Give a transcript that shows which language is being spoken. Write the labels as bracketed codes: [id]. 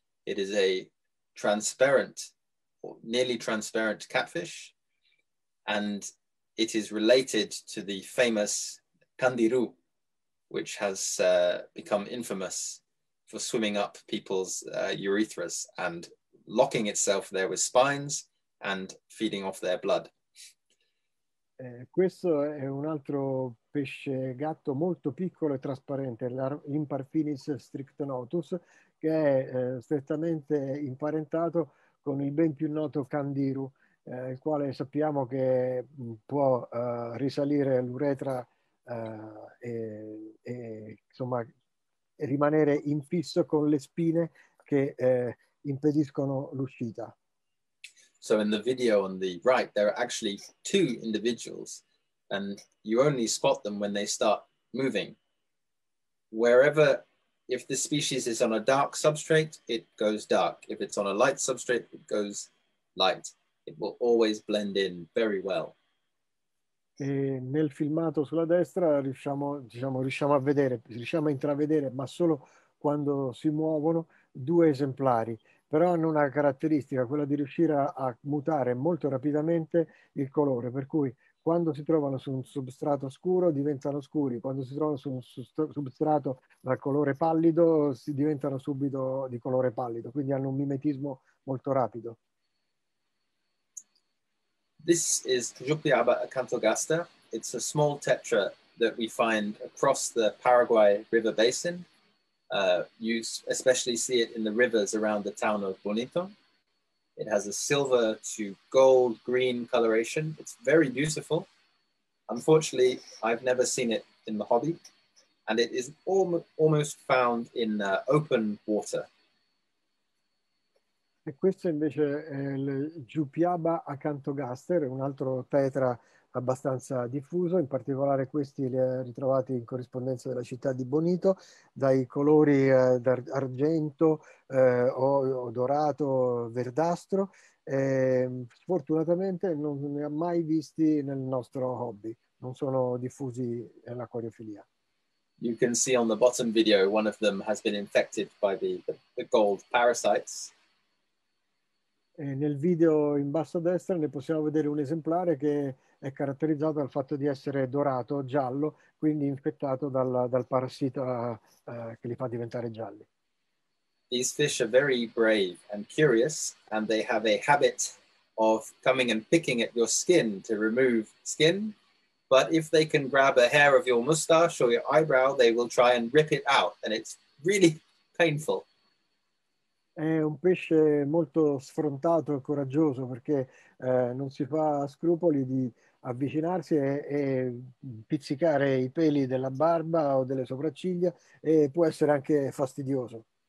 [en] It is a transparent, or nearly transparent, catfish, and it is related to the famous candiru, which has become infamous for swimming up people's urethras and locking itself there with spines and feeding off their blood. [it] Questo è un altro pesce gatto molto piccolo e trasparente, l'Imparphinis strictonotus, che è strettamente imparentato con il ben più noto candiru, il quale sappiamo che può risalire l'uretra e insomma rimanere infisso con le spine che impediscono l'uscita. [en] So in the video on the right, there are actually two individuals, and you only spot them when they start moving. Wherever, if the species is on a dark substrate, it goes dark. If it's on a light substrate, it goes light. It will always blend in very well. [it] E nel filmato sulla destra riusciamo a intravedere, ma solo quando si muovono, due esemplari. però hanno una caratteristica, quella di riuscire a mutare molto rapidamente il colore, per cui quando si trovano su un substrato scuro diventano scuri, quando si trovano su un substrato dal colore pallido si diventano subito di colore pallido, quindi hanno un mimetismo molto rapido. [en] This is Jupiaba acanthogaster. It's a small tetra that we find across the Paraguay River basin. You especially see it in the rivers around the town of Bonito. It has a silver to gold green coloration. It's very beautiful. Unfortunately, I've never seen it in the hobby, and it is almost found in open water. [it] E questo invece è il Jupiaba acanthogaster, un altro tetra abbastanza diffuso, in particolare questi li ha ritrovati in corrispondenza della città di Bonito, dai colori d'argento o dorato, verdastro. Sfortunatamente non ne ha mai visti nel nostro hobby, non sono diffusi nell'acquariofilia. [en] You can see on the bottom video, one of them has been infected by the gold parasites. [it] Nel video in basso a destra ne possiamo vedere un esemplare che è caratterizzato dal fatto di essere dorato, giallo, quindi infettato dal parassita che li fa diventare gialli. [en] These fish are very brave and curious, and they have a habit of coming and picking at your skin to remove skin. But if they can grab a hair of your mustache or your eyebrow, they will try and rip it out, and it's really painful. [it] È un pesce molto sfrontato e coraggioso perché non si fa scrupoli di avvicinarsi e pizzicare i peli della barba o delle sopracciglia e può essere anche fastidioso.